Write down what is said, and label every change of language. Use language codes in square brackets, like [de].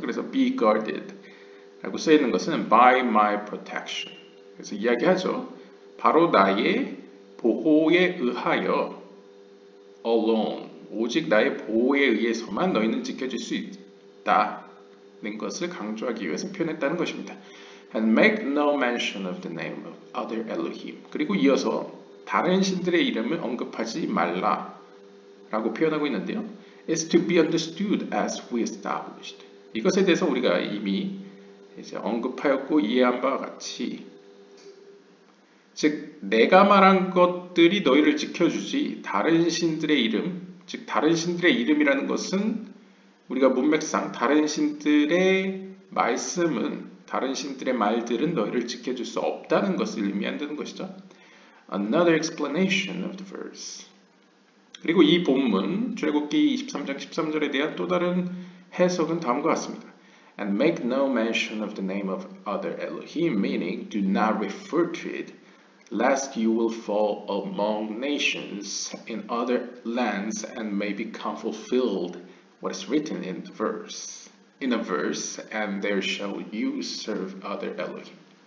[ko] 그래서 [en] be guarded [ko] 라고 써 있는 것은 [en] by my protection. [ko] 그래서 이야기하죠. 바로 나의 보호에 의하여 alone, 오직 나의 보호에 의해서만 너희는 지켜질 수 있다는 것을 강조하기 위해서 표현했다는 것입니다. [en] And make no mention of the name of other Elohim. [ko] 그리고 이어서 다른 신들의 이름을 언급하지 말라 라고 표현하고 있는데요. [en] It's to be understood as we established. [ko] 이것에 대해서 우리가 이미 이제 언급하였고 이해한 바와 같이 즉 내가 말한 것들이 너희를 지켜주지 다른 신들의 이름 즉 다른 신들의 이름이라는 것은 우리가 문맥상 다른 신들의 말씀은 다른 신들의 말들은 너희를 지켜줄 수 없다는 것을 의미한다는 것이죠. [en] Another explanation of the verse. [ko] 그리고 이 본문 출애굽기 23장 13절에 대한 또 다른 해석은 다음과 같습니다. [en] And make no mention of the name of other Elohim, meaning do not refer to it, lest you will fall among nations in other lands and may become fulfilled what is written in the verse. In a verse, and there shall you serve other Elohim.